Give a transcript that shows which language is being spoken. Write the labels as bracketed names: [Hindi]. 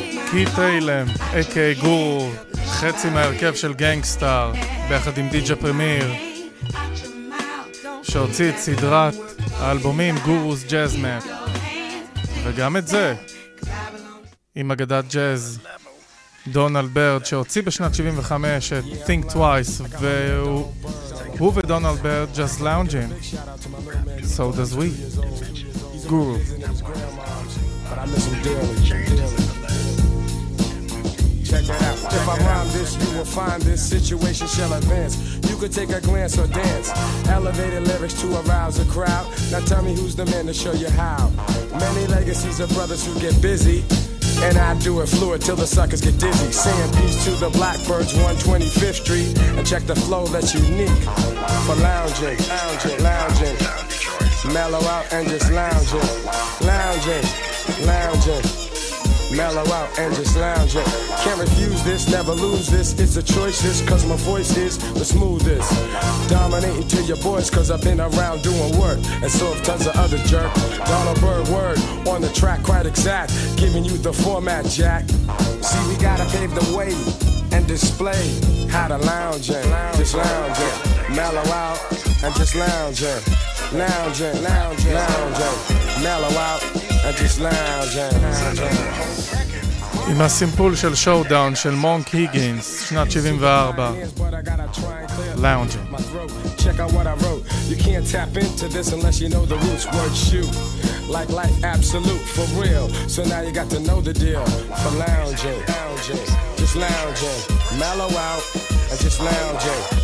[Hebrew] קי טיילם, אקי גור, חצי מהרכב של גנגסטאר, ביחד עם דיג'ה פרמיר, שהוציא את סדרת האלבומים גורוס ג'אזמן, וגם את זה, עם אגדת ג'אז, דונלד ברד, שהוציא בשנת 75 את Think Twice, והוא ודונלד ברד ג'אז לאונג'ים, [English] so does we, [Hebrew] גורו. [English] If I rhyme this, you will find this situation shall advance. You could take a glance or dance. Elevated lyrics to arouse a crowd. Now tell me who's the man to show you how. Many legacies of brothers who get busy. And I do it fluid till the suckers get dizzy. Saying peace to the Blackbirds, 125th Street. And check the flow that's unique. For lounging, lounging, lounging. Mellow out and just lounging. Lounging, lounging. Mellow out and just lounging. Can't refuse this, never lose this. It's the choicest, cause my voice is the smoothest. Dominating to your voice, cause I've been around doing work. And so have tons of other jerk. Donald Byrd word, on the track quite exact. Giving you the format, Jack. See, we gotta pave the way and display how to lounging. Just lounging. Mellow out and just lounging. Lounging, lounging, lounging. Mellow out. [Hebrew] עם הסימפול של שואודאון של מונק היגינס שנת 74 לאונג'ים. [English] Check out what I wrote. You can't tap into this unless you know the roots. Word shoot. Like life absolute for real. So now you got to know the deal. For lounging, lounging. Just lounging. Mellow out and just lounging.